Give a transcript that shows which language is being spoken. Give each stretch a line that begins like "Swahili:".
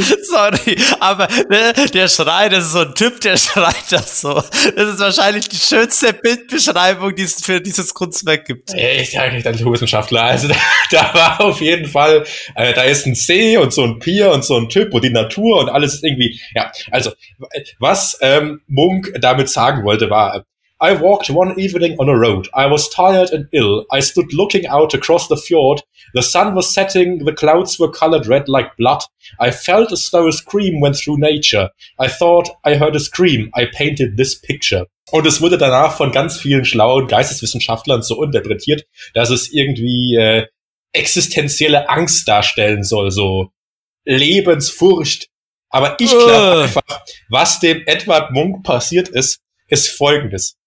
German: Sorry, aber ne, der Schrei, das ist so ein Typ, der schreit da so. Das ist wahrscheinlich die schönste Bildbeschreibung, die es für dieses Kunstwerk gibt. Ich sage nicht an Naturwissenschaftler. Also da war auf jeden Fall, da ist ein See und so ein Pier und so ein Typ und die Natur und alles ist irgendwie, ja. Also, was Munk damit sagen wollte, war:
English: I walked one evening on a road. I was tired and ill. I stood looking out across the fjord. The sun was setting, the clouds were colored red like blood. I felt as though a scream went through nature. I thought I heard a scream. I painted this picture.
German: Und es wurde danach von ganz vielen schlauen Geisteswissenschaftlern so interpretiert, dass es irgendwie existenzielle Angst darstellen soll, so Lebensfurcht. Aber ich glaube einfach, was dem Edvard Munch passiert ist, ist Folgendes.